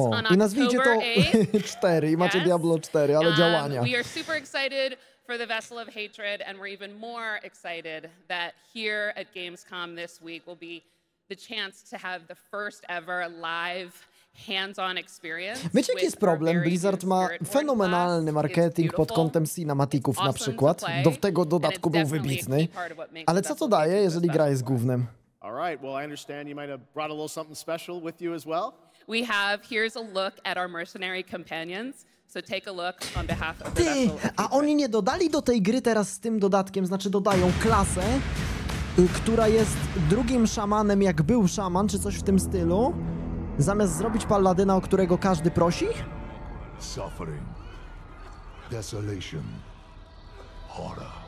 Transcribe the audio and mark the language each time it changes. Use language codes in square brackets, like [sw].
[pl] I nazwijcie to 4 i macie Diablo 4, ale działania. [en] We are super excited for the Vessel of Hatred, and we're even more excited that here at Gamescom this week will be the chance to have the first ever live hands-on experience. [pl] Wiecie, jaki jest problem? Blizzard ma fenomenalny marketing pod kątem cinematików, awesome na przykład. Do tego dodatku był wybitny. Ale co to daje, jeżeli gra jest gównem? [en] All right. Well, I understand you might have brought a little something special with you as well. We have, here's a look at our mercenary companions. So take a look on behalf of the Vessel of Hatred. [pl] A oni nie dodali do tej gry teraz z tym dodatkiem, znaczy dodają klasę, która jest drugim szamanem, jak był szaman, czy coś w tym stylu, zamiast zrobić paladyna, o którego każdy prosi? [en] Suffering. Desolation. Horror.